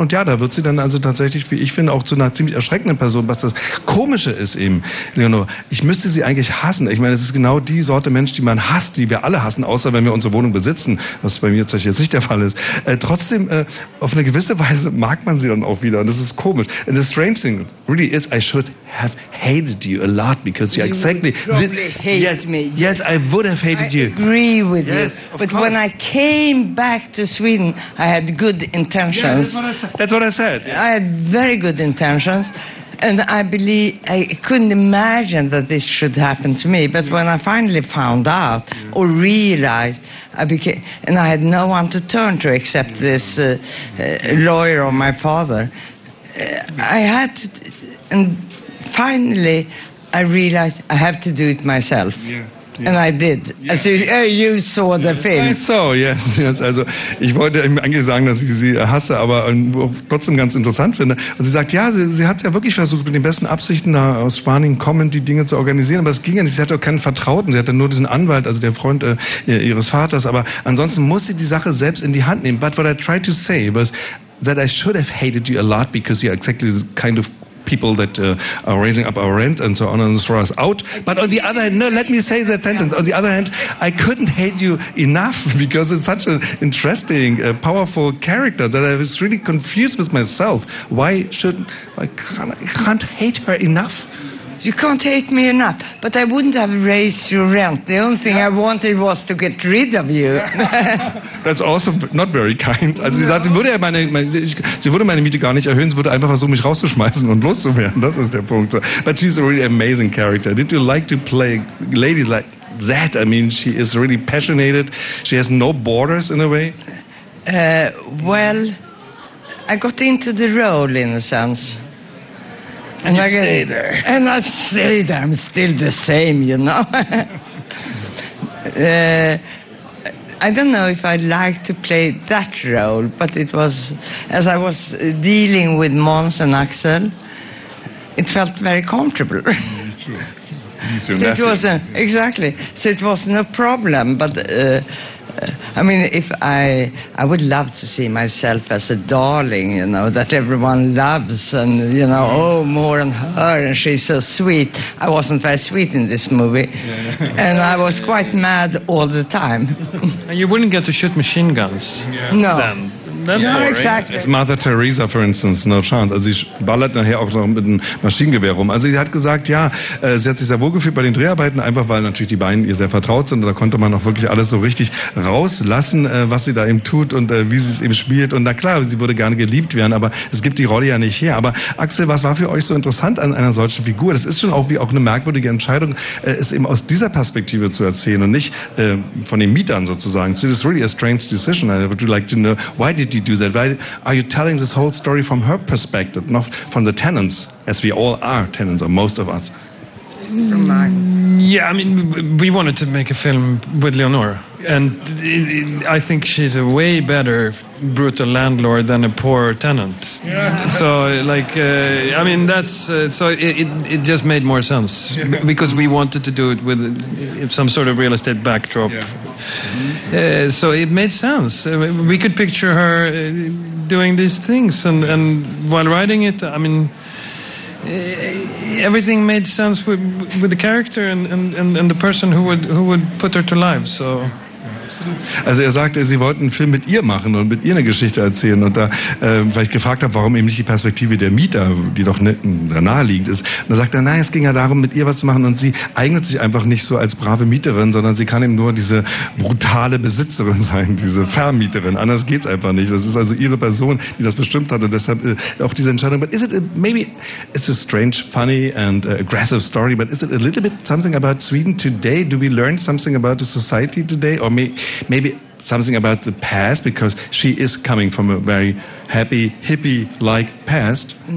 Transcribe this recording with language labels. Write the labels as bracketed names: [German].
[German] Und ja, da wird sie dann also tatsächlich, wie ich finde, auch zu einer ziemlich erschreckenden eine Person, was das Komische ist eben, Leonor, ich müsste sie eigentlich hassen. Ich meine, es ist genau die Sorte Mensch, die man hasst, die wir alle hassen, außer wenn wir unsere Wohnung besitzen, was bei mir jetzt nicht der Fall ist. Trotzdem, auf eine gewisse Weise mag man sie dann auch wieder und das ist komisch. [English] And the strange thing really is, I should have hated you a lot, because you exactly... Yes, I would have hated you. I agree with you. Yes, but when I came back to Sweden, I had good intentions. Yeah, that's what I said. Yeah. I had very good intentions. And I believe I couldn't imagine that this should happen to me. But when I finally found out or realized, I had no one to turn to except this lawyer or my father. I had to, and finally, I realized I have to do it myself. Yeah. And I did. Yeah. So, you saw the film. Yes. [German] Also, ich wollte eigentlich sagen, dass ich sie hasse, aber trotzdem ganz interessant finde. Und sie sagt, ja, sie hat ja wirklich versucht, mit den besten Absichten da aus Spanien kommend die Dinge zu organisieren, aber es ging ja nicht. Sie hatte auch keinen Vertrauten. Sie hatte nur diesen Anwalt, also der Freund ihres Vaters. Aber ansonsten muss sie die Sache selbst in die Hand nehmen. [English] But what I tried to say was that I should have hated you a lot because you're exactly the kind of people that are raising up our rent and so on and throw us out. But on the other hand, no, let me say that sentence. On the other hand, I couldn't hate you enough because it's such an interesting, powerful character that I was really confused with myself. I can't hate her enough. You can't hate me enough, but I wouldn't have raised your rent. The only thing I wanted was to get rid of you. That's also not very kind. [German] Also sie sagt, sie würde meine Miete gar nicht erhöhen, sie würde einfach versuchen, mich rauszuschmeißen und loszuwerden. Das ist der Punkt. [English] But she's a really amazing character. Did you like to play ladies like that? I mean, she is really passionate. She has no borders in a way. Well, I got into the role in a sense. And you stay there. And I stay there. I'm still the same, you know. I don't know if I'd like to play that role, but it was, as I was dealing with Måns and Axel, it felt very comfortable. Exactly. So it was no problem, but... I mean, if I would love to see myself as a darling, you know, that everyone loves and, you know, more than her and she's so sweet. I wasn't very sweet in this movie. Yeah. And I was quite mad all the time. And you wouldn't get to shoot machine guns. Yeah. No. Then. That's boring. Exactly. It's Mother Teresa, for instance, no chance. [German] Also sie ballert nachher auch noch mit einem Maschinengewehr rum. Also sie hat gesagt, ja, sie hat sich sehr wohl gefühlt bei den Dreharbeiten, einfach weil natürlich die beiden ihr sehr vertraut sind. Da konnte man auch wirklich alles so richtig rauslassen, was sie da eben tut und wie sie es eben spielt. Und na klar, sie würde gerne geliebt werden, aber es gibt die Rolle ja nicht her. Aber Axel, was war für euch so interessant an einer solchen Figur? Das ist schon auch wie auch eine merkwürdige Entscheidung, es eben aus dieser Perspektive zu erzählen und nicht von den Mietern sozusagen. [English] So this is really a strange decision. I would like to know, why did you do that? Why are you telling this whole story from her perspective, not from the tenants, as we all are tenants, or most of us? From mine. Yeah, I mean, we wanted to make a film with Leonora. Yeah. And I think she's a way better brutal landlord than a poor tenant. Yeah. So, like, I mean, that's... So it just made more sense. Yeah. Because we wanted to do it with some sort of real estate backdrop. Yeah. So it made sense. We could picture her doing these things. And while writing it, I mean... everything made sense with the character and the person who would put her to life. So. [German] Also er sagte, sie wollten einen Film mit ihr machen und mit ihr eine Geschichte erzählen. Und da, weil ich gefragt habe, warum eben nicht die Perspektive der Mieter, die doch da naheliegend ist. Und da sagt er, nein, es ging ja darum, mit ihr was zu machen. Und sie eignet sich einfach nicht so als brave Mieterin, sondern sie kann eben nur diese brutale Besitzerin sein, diese Vermieterin. Anders geht's einfach nicht. Das ist also ihre Person, die das bestimmt hat. Und deshalb auch diese Entscheidung. [English] But is it maybe it's a strange, funny and aggressive story, but is it a little bit something about Sweden today? Do we learn something about the society today? Or maybe something about the past, because she is coming from a very happy, hippie-like past.